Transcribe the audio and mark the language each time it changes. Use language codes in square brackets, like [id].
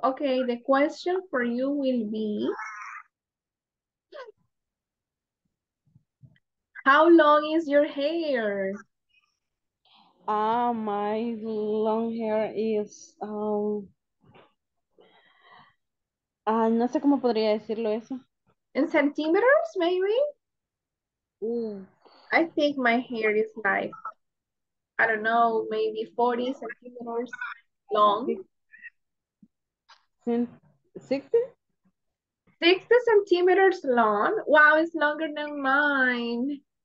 [en] Okay, the question for you will be, how long is your hair? My long hair is [es] no sé cómo podría decirlo eso. [en] In centimeters, maybe? Ooh. I think my hair is like, I don't know, maybe 40 centimeters long. 60? 60 centimeters long? Wow, it's longer than mine.